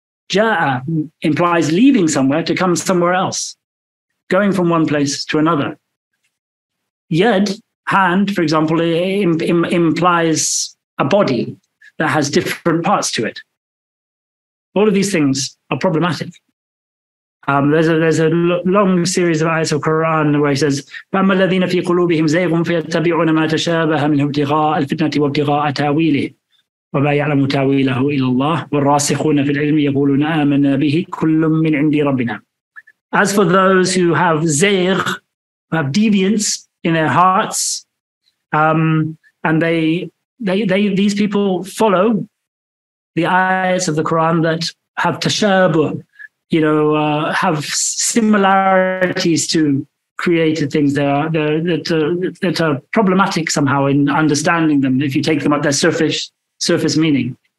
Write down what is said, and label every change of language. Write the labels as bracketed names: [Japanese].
[English] Ja'a implies leaving somewhere to come somewhere else, going from one place to another. Yad, hand, for example, implies a body that has different parts to it. All of these things are problematic. There's a long series of ayats of Quran where he says, [Arabic] فَأَمَّا الَّذِينَ فِي قُلُوبِهِمْ زَيْغٌ فَيَتَّبِعُونَ مَا تَشَابَهَ مِنْ ابْتِغَاءَ الْفِتْنَةِ وَابْتِغَاءَ تَأْوِيلِهِ وَمَا يَعْلَمُ تَأْوِيلَهُ إِلَّا اللَّهُ وَالرَّاسِخُونَ فِي الْعِلْمِ يَقُولُونَ آمَنَّا بِهِ كُلٌّ مِنْ عِنْدِ رَبِّنَا. [English] As for those who have zayg, who have deviance in their hearts, and these people follow the ayats of the Quran that have tashabuh, you know, have similarities to created things that are problematic somehow in understanding them, if you take them at their surface meaning.